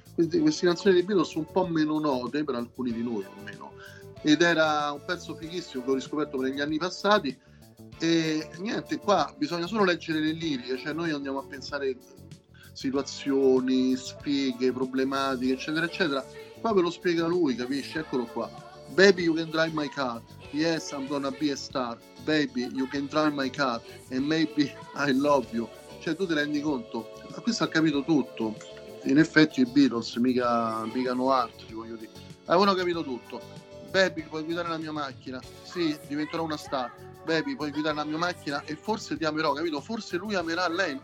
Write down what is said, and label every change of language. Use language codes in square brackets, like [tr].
[it] Quindi queste canzoni di Beatles sono un po' meno note per alcuni di noi, almeno, ed era un pezzo fighissimo che ho riscoperto negli anni passati. E niente, qua bisogna solo leggere le liriche, cioè noi andiamo a pensare situazioni, sfighe, problematiche, eccetera eccetera, qua ve lo spiega lui, capisci? Eccolo qua. [en] Baby, you can drive my car. Yes, I'm gonna be a star. Baby, you can drive my car. And maybe I love you. [it] Cioè, tu ti rendi conto? Ma questo ha capito tutto. In effetti, i Beatles, mica no altri, voglio dire. Avevano capito tutto. Baby, puoi guidare la mia macchina? Sì, diventerò una star. Baby, puoi guidare la mia macchina e forse ti amerò, capito? Forse lui amerà lei.